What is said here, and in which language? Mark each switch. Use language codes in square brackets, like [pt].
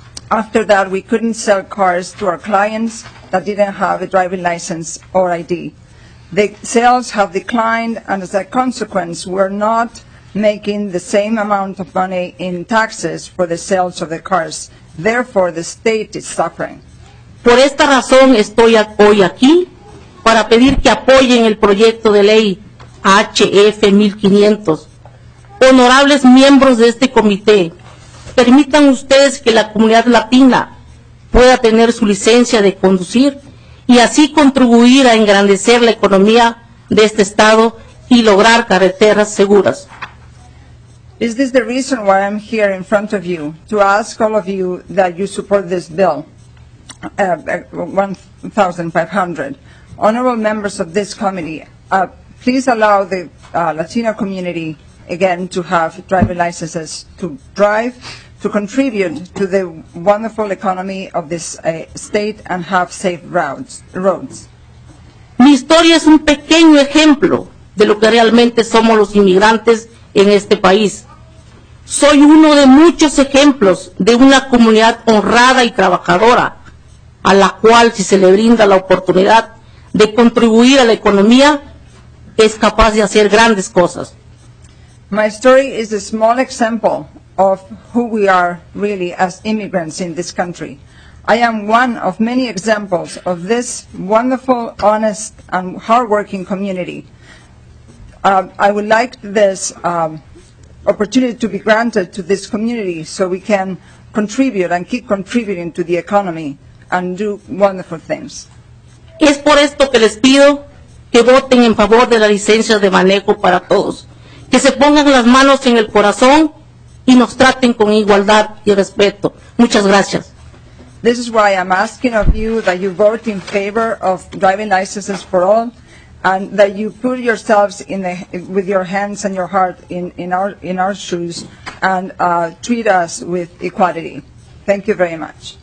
[en] After that, we couldn't sell cars to our clients that didn't have a driving license or ID. The sales have declined, and as a consequence, we're not making the same amount of money in taxes for the sales of the cars. Therefore, the state is suffering. [es] Por esta razón estoy hoy aquí para pedir que apoyen el proyecto de ley HF 1500. Honorables miembros de este comité, permitan ustedes que la comunidad latina pueda tener su licencia de conducir y así contribuir a engrandecer la economía de este estado y lograr carreteras seguras. [en] Is this the reason why I'm here in front of you, to ask all of you that you support this bill, 1,500? Honorable members of this committee, please allow the Latino community again to have driving licenses to drive, to contribute to the wonderful economy of this state and have safe roads. [es] Mi historia es un pequeño ejemplo de lo que realmente somos los inmigrantes en este país. Soy uno de muchos ejemplos de una comunidad honrada y trabajadora a la cual, si se le brinda la oportunidad de contribuir a la economía, es capaz de hacer grandes cosas. [en] My story is a small example of who we are really as immigrants in this country. I am one of many examples of this wonderful, honest, and hardworking community. I would like this opportunity to be granted to this community so we can contribute and keep contributing to the economy and do wonderful things. [es] Es por esto que les pido que voten en favor de la licencia de manejo para todos, que se pongan las manos en el corazón y nos traten con igualdad y respeto. Muchas gracias. [en] This is why I'm asking of you that you vote in favor of driving licenses for all, and that you put yourselves in the, with your hands and your heart in our shoes and treat us with equality. Thank you very much.